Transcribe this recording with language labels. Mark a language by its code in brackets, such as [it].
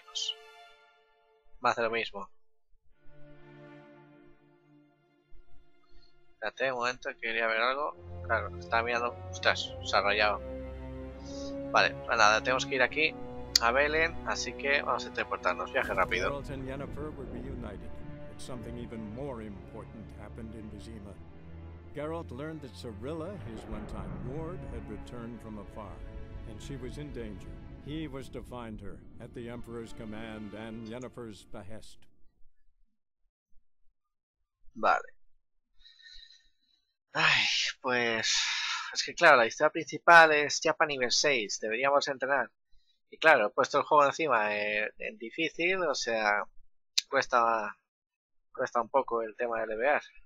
[es] Pues, más de lo mismo. Espérate un momento, quería ver algo. Claro, está mirando. Ostras, se ha rayado. Vale, pues nada, tenemos que ir aquí a Belén, así que vamos a teleportarnos. Viaje rápido. [en] Geralt y Yennefer were reunited, but something even more important happened in Vizima. Geralt learned that Cirilla, his one-time ward, had returned from afar, and she was in danger. He was to find her at the Emperor's command and Yennefer's behest. [es] Vale. Ay, pues es que claro, la historia principal es ya para nivel 6, deberíamos entrenar. Y claro, he puesto el juego encima en difícil, o sea, cuesta un poco el tema de levear.